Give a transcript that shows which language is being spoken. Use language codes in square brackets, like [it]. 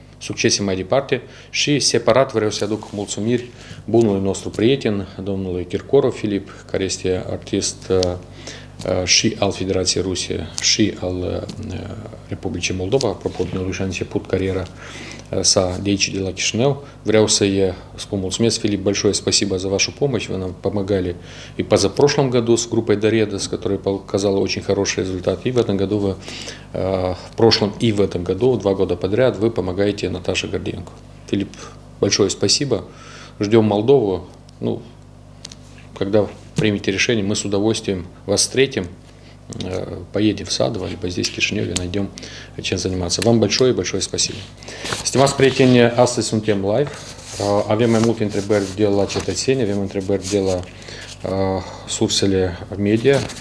[ro] Succese mai departe și separat vreau să aduc mulțumiri bunului nostru prieten, domnului Kirkorov Filip, care este artist și al Federației Rusie și al Republicii Moldova. Apropo, domnului și-a început cariera sa de aici, de la Chișinău. Vreau să-i spun mulțumesc, [ru] Filip, большое спасибо за вашу помощь. Вы нам помогали и позапрошлом году с группой Доредос, которая показала очень хороший результат. И в этом году, два года подряд, вы помогаете Наташе Гордиенко. Филипп, большое спасибо. Ждем Молдову. Ну, когда примите решение, мы с удовольствием вас встретим. Поедем в Садово, либо здесь, в Кишиневе, найдем чем заниматься. Вам большое и большое спасибо. [ro] Стимас приятели, астăzi suntem live. Avem mai multe întrebări de la cetățeni, avem întrebări de la sursele media.